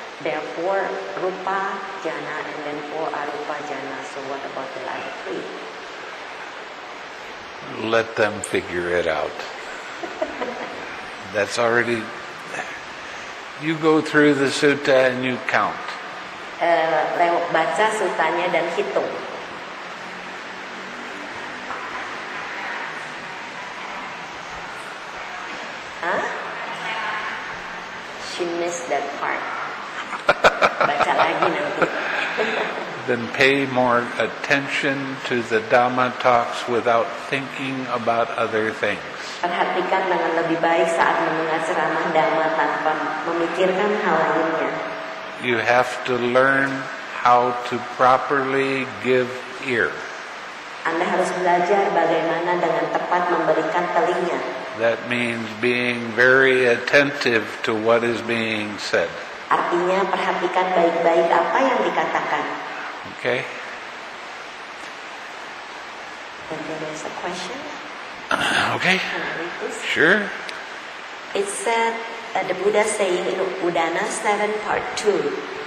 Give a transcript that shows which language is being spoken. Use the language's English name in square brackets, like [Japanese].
[English] There are 4 rupa jana and then 4 arupa jana. So what about the other 3? Let them figure it out. That's already... You go through the sutta and you count. [Indonesian] Baca sutanya dan hitung. [English] That part. [Indonesian] Baca lagi nanti. [English] Then pay more attention to the Dhamma talks without thinking about other things. [Indonesian] Perhatikan dengan lebih baik saat mendengar ceramah Dhamma tanpa memikirkan hal lainnya. [English] You have to learn how to properly give ear. [Indonesian] Anda harus belajar bagaimana dengan tepat memberikan telinga. [English] That means being very attentive to what is being said. [Indonesian] Artinya perhatikan baik-baik apa yang dikatakan. [English] Okay. Then there is a question. Okay. Can I read this? Sure. It said the Buddha saying in Udana 7 part 2.